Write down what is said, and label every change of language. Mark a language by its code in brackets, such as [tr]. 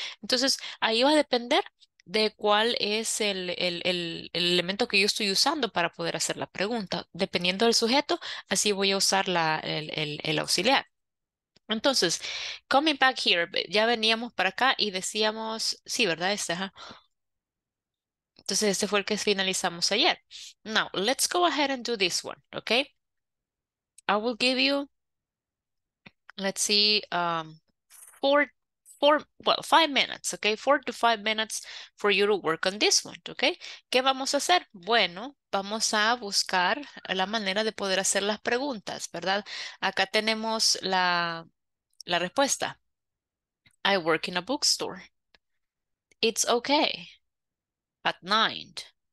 [es] Entonces, ahí va a depender de cuál es el elemento que yo estoy usando para poder hacer la pregunta. Dependiendo del sujeto, así voy a usar el auxiliar. Entonces, [en] coming back here, [es] ya veníamos para acá y decíamos, sí, ¿verdad? Este, ajá. Entonces, este fue el que finalizamos ayer. [en] Now, let's go ahead and do this one, okay? I will give you, let's see, five minutes, okay? 4 to 5 minutes for you to work on this one, okay? [es] ¿Qué vamos a hacer? Bueno, vamos a buscar la manera de poder hacer las preguntas, ¿verdad? Acá tenemos la respuesta. [en] I work in a bookstore. It's okay. At night.